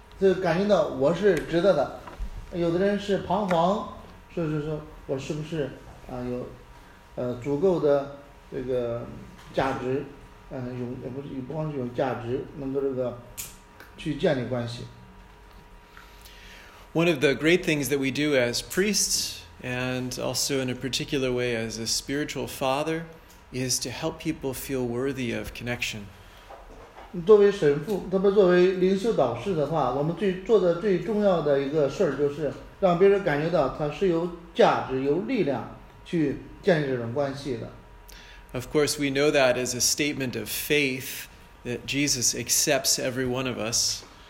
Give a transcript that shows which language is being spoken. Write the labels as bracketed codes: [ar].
[zh] 有的人就感觉到我是值得的, 有的人是彷徨, 说我是不是, 有, 足够的这个价值, 有, 不光是有价值, 能够这个去建立关系。 [en] One of the great things that we do as priests and also in a particular way as a spiritual father is to help people feel worthy of connection. [zh] 作为神父,特别作为灵修导师的话,我们做的最重要的一个事儿就是让别人感觉到他是有价值,有力量去建立这种关系的。 [en] Of course, we know that as a statement of faith that Jesus accepts every one of us.